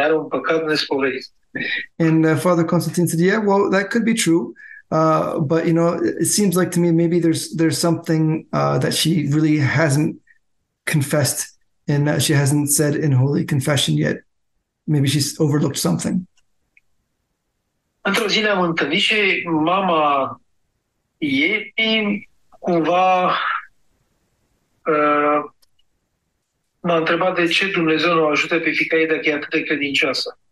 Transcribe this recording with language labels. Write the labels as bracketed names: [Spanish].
[Romanian] Are un păcat nespovedit. [English] And Father Constantine said, yeah, well, that could be true. But, you know, it seems like to me maybe there's something that she really hasn't confessed and she hasn't said in holy confession yet. Maybe she's overlooked something. [Romanian] Într-o zi ne-am întâlnit și mama ei cumva m-a întrebat de ce Dumnezeu nu ajută pe fiica ei dacă e atât de credincioasă.